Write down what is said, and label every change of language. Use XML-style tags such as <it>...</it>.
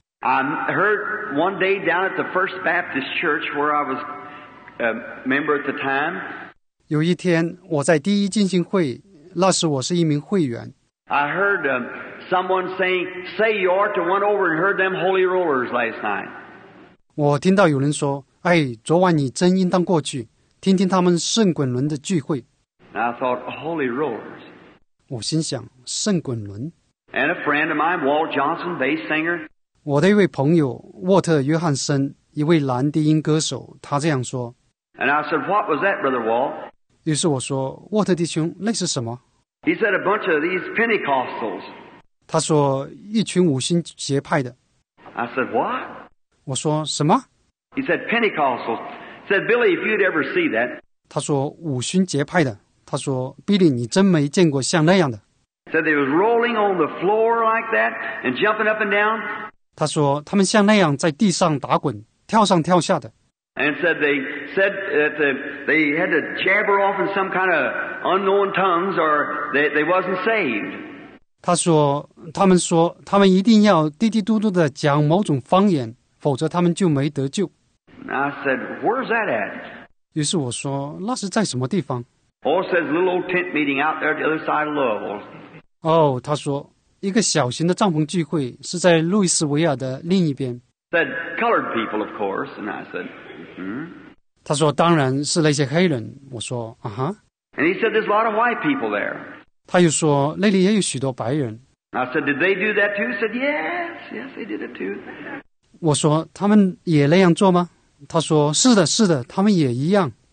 <en>I heard one day down at the First Baptist Church where I was a member at the time.</en> <zh>有一天我在第一浸信会，那时我是一名会员。</zh> <en>I heard someone saying, "Say you ought to went over and heard them holy rollers last night."</en> <zh>我听到有人说，哎，昨晚你真应当过去，听听他们圣滚轮的聚会。</zh> <en>And I thought, holy rollers.</en> <zh>我心想，圣滚轮。</zh> <en>And a friend of mine, Walt Johnson, bass singer.</en> <zh>我的一位朋友沃特·约翰森，一位男低音歌手，他这样说。</zh> <en>And I said, "What was that, Brother Walt?"</en> <zh>于是我说，沃特弟兄，那是什么？</zh> <en>He said a bunch of these Pentecostals.</en> <zh>他说一群五旬节派的。</zh> <en>I said, what?</en> <zh>我说什么？</zh> <en>He said Pentecostals. Said, Billy, if you'd ever see that.</en> <zh>他说五旬节派的。他说 Billy, 你真没见过像那样的。</zh> <en>Said they was rolling on the floor like that and jumping up and down.</en> <zh>他说他们像那样在地上打滚，跳上跳下的。</zh> <en>And said they said that they had to jabber off in some kind of unknown tongues or they wasn't saved.</en> <zh>他说他们说他们一定要嘀嘀嘟嘟地讲某种方言，否则他们就没得救。</zh> <en>I said, where's that at?</en> <zh>于是我说那是在什么地方？</zh> <en>Oh, says little old tent meeting out there at the other side of Louisville.</en> <zh>哦，他说一个小型的帐篷聚会是在路易斯维尔的另一边。</zh> <en>Said colored people, of course, and I said,</en> <zh>他说当然是那些黑人，我说啊哈。</zh> <en>And he said there's a lot of white people there.</en> <zh>他又说那里也有许多白人。</zh> <en>I said, did they do that too? He said, yes, yes, they did it too.</en> <zh>我说他们也那样做吗？他说是的是的，他们也一样。</zh>